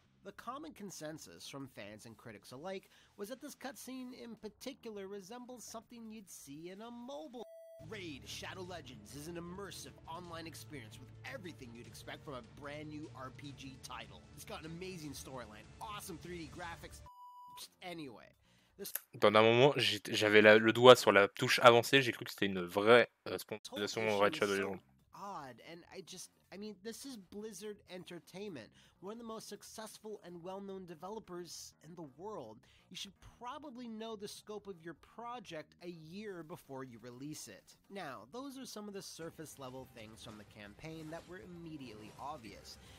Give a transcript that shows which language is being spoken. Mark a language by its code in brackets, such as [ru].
[en] The common consensus from fans and critics alike was that this cutscene in particular resembles something you'd see in a mobile. Raid Shadow Legends is an immersive online experience with everything you'd expect from a brand new RPG title. It's got an amazing storyline, awesome 3D graphics. Anyway. [fr] Dans un moment, j'avais le doigt sur la touche avancée, j'ai cru que c'était une vraie sponsorisation en Red Shadow Legends. [en] I mean, this is Blizzard Entertainment, one of the most successful and well-known developers in the world. You should probably know the scope of your project a year before you release it. Now, those are some of the surface-level things from the campaign that were immediately obvious.